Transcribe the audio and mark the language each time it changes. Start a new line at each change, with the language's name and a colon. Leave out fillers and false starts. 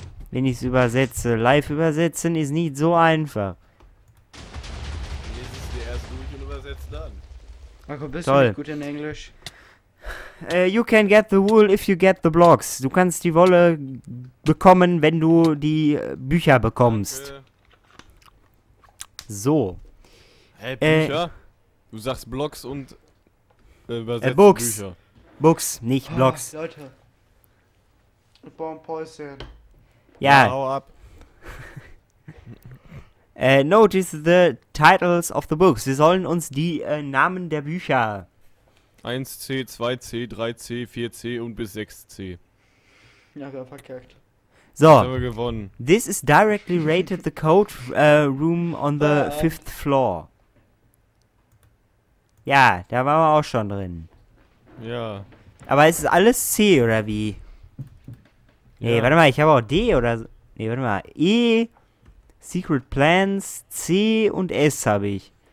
German: Wenn ich es übersetze. Live übersetzen ist nicht so einfach. Lies es dir erst durch und übersetz dann. Marco, bist du nicht gut in Englisch?
English: You can get the wool if you get the blocks.
German: Du kannst die Wolle bekommen, wenn du die Bücher bekommst. Danke. So. Bücher? Du sagst Blocks und übersetzt
English: Books.
German: Bücher. Books, nicht Blocks. Oh, Leute. Ich baue ein Päuschen. Ja. Hau ab.
English: Notice the titles of the books.
German: Wir sollen uns die Namen der Bücher. 1C, 2C, 3C, 4C und bis 6C. Ja, wir haben verkackt. So. Haben wir gewonnen.
English: This is directly rated the code room on the fifth floor.
German: Ja, da waren wir auch schon drin. Ja. Aber es ist alles C oder wie? Nee, warte mal, ich habe auch D oder so. Nee, warte mal. E, Secret Plans, C und S habe ich.